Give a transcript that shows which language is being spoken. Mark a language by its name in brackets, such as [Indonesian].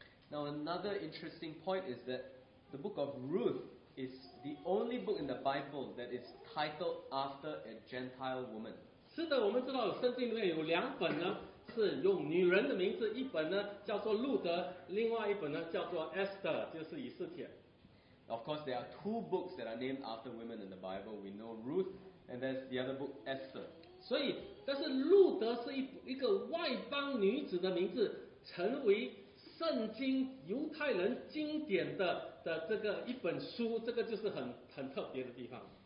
[English] Now another interesting point is that the book of Ruth is the only book in the Bible that is titled after a Gentile woman. [Chinese] 是的，我们知道圣经里面有两本呢是用女人的名字，一本呢叫做路德，另外一本呢叫做 Esther， 就是以斯帖。 [English] Of course, there are two books that are named after women in the Bible. We know Ruth. And there's the other book, Esther. [Chinese] 所以，但是路德是一个外邦女子的名字，成为圣经犹太人经典的这个一本书，这个就是很特别的地方。